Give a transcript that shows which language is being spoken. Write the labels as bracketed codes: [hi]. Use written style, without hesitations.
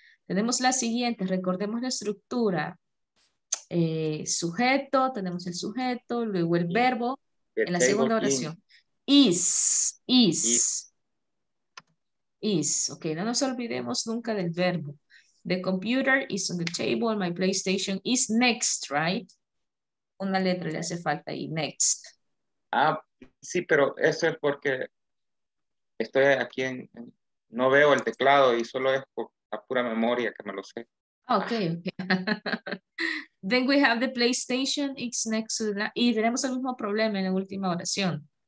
[es] Tenemos la siguiente, recordemos la estructura. Sujeto, tenemos el sujeto, luego el verbo. En la segunda oración. Is. Is, okay, no nos olvidemos nunca del verbo. [en] The computer is on the table, my PlayStation is next, right? [es] Una letra le hace falta ahí, next. Ah, sí, pero eso es porque estoy aquí, no veo el teclado y solo es por la pura memoria que me lo sé. Okay. [en] Then we have the PlayStation, it's next to the... [es] Y tenemos el mismo problema en la última oración.